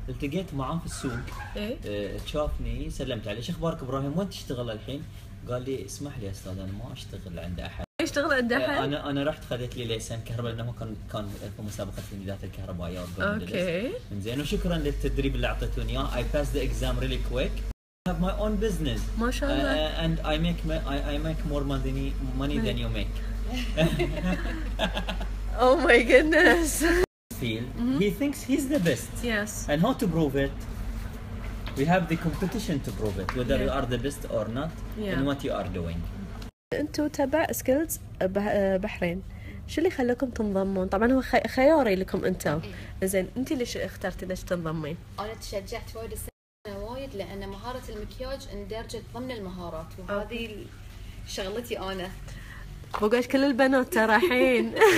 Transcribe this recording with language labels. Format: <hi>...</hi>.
<ar>التقيت معاه في السوق. شافني سلمت عليه، شو اخبارك ابراهيم وين تشتغل الحين؟ قال لي اسمح لي استاذ انا ما اشتغل عند احد. يشتغل عند احد؟ انا رحت خذيت لي ليسن كهرباء لانه كان في مسابقة تمهيدات الكهربائية. اوكي. زين وشكرا للتدريب اللي اعطيتوني اياه.</ar> <en>I passed the exam really quick. I have my own business.</en> <ar>ما شاء الله.</ar> <en>And I make more money than you make. Oh my goodness. He thinks he's the best. Yes. And how to prove it? We have the competition to prove it, whether you are the best or not, in what you are doing.</en> <ar>أنتوا تبع سكيلز بحرين. شو اللي خلاكم تنضمون؟ طبعًا هو خياري لكم أنتوا. زين أنت ليش اخترتي ليش تنضمين؟ أنا تشجعت وايد السنة وايد لأن مهارة المكياج اندرجت ضمن المهارات وهذه شغلتي أنا. بقولش كل البنات تراحين.</ar>